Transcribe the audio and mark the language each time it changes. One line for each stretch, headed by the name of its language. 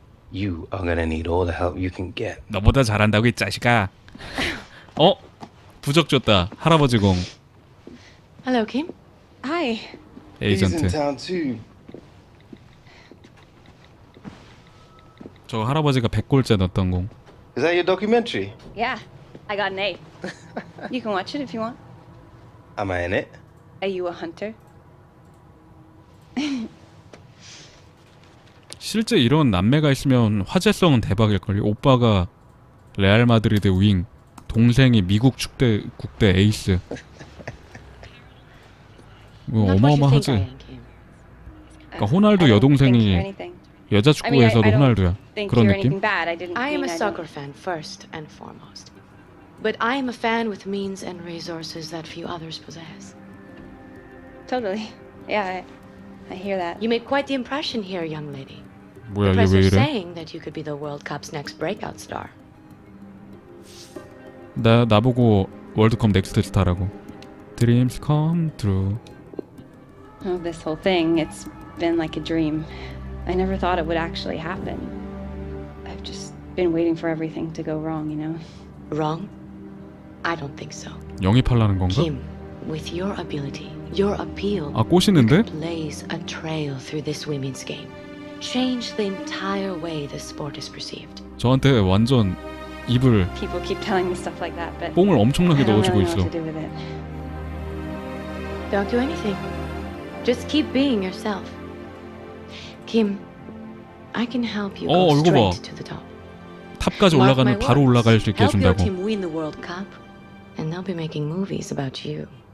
English: You are gonna need all the help you can get.
Korean: 너보다 잘한다고 이 자식아. 어? 부적 줬다. 할아버지 공.
English: Hello, Kim. Hi. 에이전트. He's in town too.
Korean: 저 할아버지가 100골째 넣었던 공.
English: Is that your documentary? Yeah, I got an A. You can watch it if you want. Am I in it? Are you a hunter?
Korean: 실제 이런 남매가 있으면 화제성은 대박일걸요. 오빠가 레알 마드리드 윙, 동생이 미국 축대 국대 에이스. 뭐 어마어마하지. 그러니까 호날두 여동생이. 여자 축구에서도 호날두야. 그런 느낌?
English: I am a soccer fan first and foremost. But I am a fan with means and resources that few others possess. Totally. Yeah. I hear that. You made quite the impression here, young lady.
Korean: 뭐야, 이게 왜 이래?
English: Saying that you could be the World Cup's next breakout star.
Korean: 나 나보고 월드컵 넥스트 스타라고.
English: Dreams come true. Oh, this whole thing, it's been like a dream. I never thought it would actually happen. I've just been waiting for everything to go wrong, you know? Wrong? I don't think so.
Korean: 영입하려는 건가?
English: Kim, with your ability, your appeal,
Korean: 아, 꼬시는데?
English: Blaze a trail through this women's game. change the entire way the sport is perceived.
Korean: 저한테 완전 입을
English: People keep telling me stuff like that, but
Korean: 뽕을 엄청나게 넣어주고 있어.
English: Don't do anything. Just keep being yourself. Kim, I can help you go straight to the top.
Korean: 탑까지 올라가는 바로 올라갈 수 있게 해준다고.
English: Help your team win the World Cup, and they'll be making movies about you.